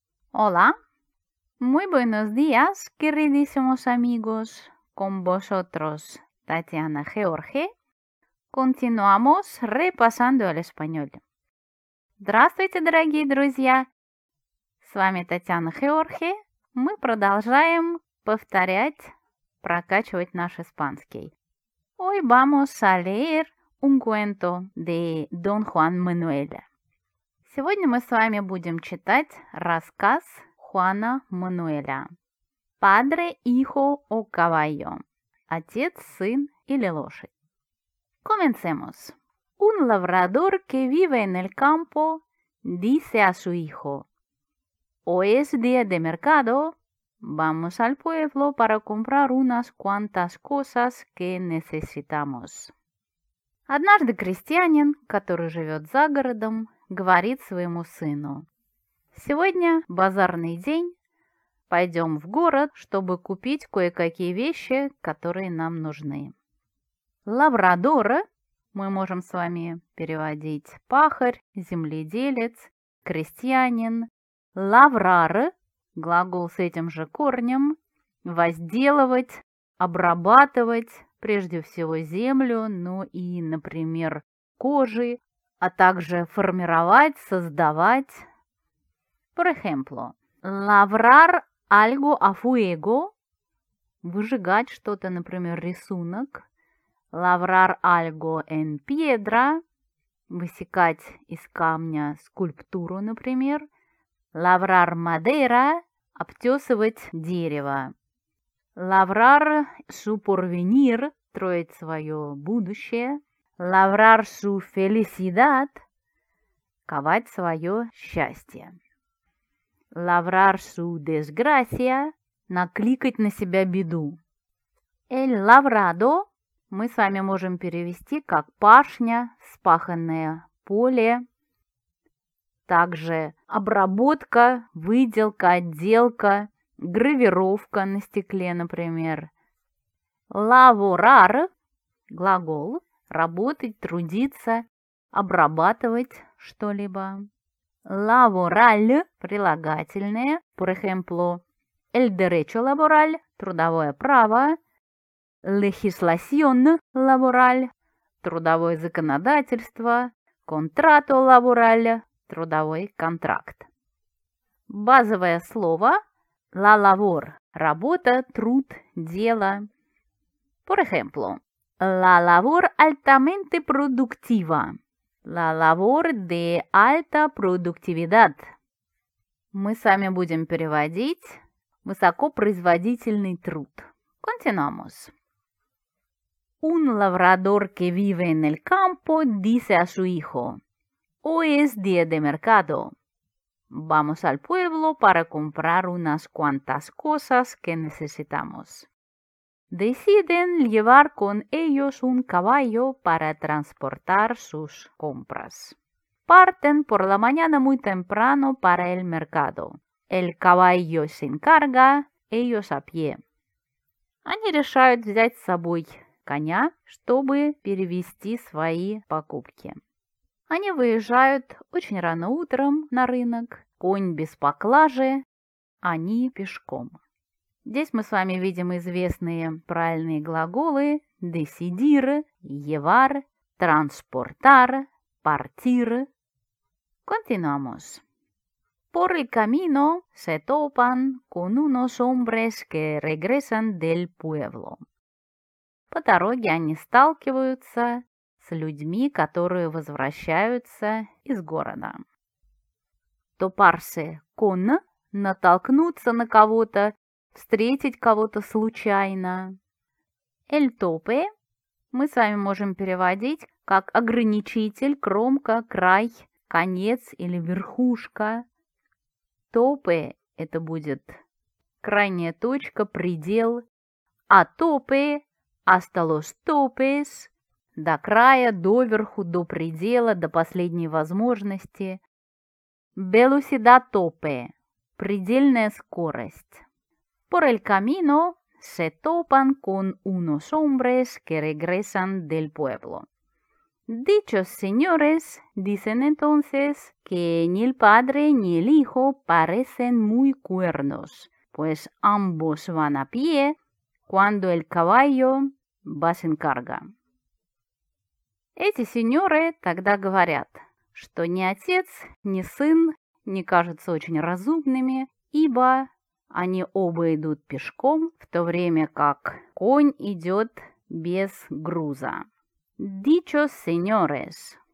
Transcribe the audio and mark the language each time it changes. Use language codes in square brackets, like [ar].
[es] Hola, muy buenos días, queridísimos amigos, con vosotros Tatiana George. Continuamos repasando el español. [ru] Здравствуйте, дорогие друзья, с вами Татьяна George. Мы продолжаем повторять, прокачивать наш испанский. [es] Hoy vamos a leer un cuento de Don Juan Manuel. [ru] Сегодня мы с вами будем читать рассказ Хуана Мануэля «Падре, ихо, о кавайо» – «Отец, сын или лошадь». [es] Comencemos. Un labrador que vive en el campo dice a su hijo: «Hoy es día de mercado, vamos al pueblo para comprar unas cuantas cosas que necesitamos». [ru] Однажды крестьянин, который живет за городом, говорит своему сыну: «Сегодня базарный день, пойдем в город, чтобы купить кое-какие вещи, которые нам нужны». Лабрадор, мы можем с вами переводить пахарь, земледелец, крестьянин. Лаврар, глагол с этим же корнем, возделывать, обрабатывать прежде всего землю, ну и, например, кожи, а также формировать, создавать. [es] Por ejemplo, labrar algo a fuego, [ru] выжигать что-то, например, рисунок. [es] Labrar algo en piedra, [ru] высекать из камня скульптуру, например. [es] Labrar madera, [ru] обтесывать дерево. [es] Labrar su porvenir, [ru] строить свое будущее. [es] Labrar su felicidad, [ru] ковать свое счастье. [es] Labrar su desgracia, [ru] накликать на себя беду. [es] El labrado [ru] мы с вами можем перевести как пашня, вспаханное поле. Также обработка, выделка, отделка, гравировка на стекле, например. Лаворар – глагол «работать», «трудиться», «обрабатывать» что-либо. Лавораль – прилагательное, [es] por ejemplo, el derecho laboral – [ru] трудовое право. [es] Legislación laboral – [ru] трудовое законодательство. [es] Contrato laboral – [ru] трудовой контракт. Базовое слово [es] «la labor» [ru] – работа, труд, дело. [es] Por ejemplo, la labor altamente productiva. La labor de alta productividad. [ru] Мы с вами будем переводить высокопроизводительный труд. [es] Continuamos. Un labrador que vive en el campo dice a su hijo: Hoy es día de mercado. Vamos al pueblo para comprar unas cuantas cosas que necesitamos. Deciden llevar con ellos un caballo para transportar sus compras. Parten por la mañana muy temprano para el mercado. El caballo se encarga, ellos a pie. [ru] Они решают взять с собой коня, чтобы перевезти свои покупки. Они выезжают очень рано утром на рынок. Конь без поклажи, они пешком. Здесь мы с вами видим известные правильные глаголы «decidir», «llevar», «transportar», «partir». [es] Continuamos. Por el camino se topan con unos hombres que regresan del pueblo. [ru] По дороге они сталкиваются с людьми, которые возвращаются из города. Топарсе «con» – натолкнуться на кого-то, встретить кого-то случайно. [es] El tope [ru] мы с вами можем переводить как ограничитель, кромка, край, конец или верхушка. Tope – это будет крайняя точка, предел. [es] A tope – hasta los topes [ru] – до края, доверху, до предела, до последней возможности. [es] Velocidad tope – [ru] предельная скорость. [es] Por el camino se topan con unos hombres que regresan del pueblo. Dichos señores dicen entonces que ni el padre ni el hijo parecen muy cuernos, pues ambos van a pie cuando el caballo va sin carga. [ru] Эти сеньоры тогда говорят, что ни отец, ни сын не кажутся очень разумными, ибо они оба идут пешком, в то время как конь идет без груза. [es] Dicho señores.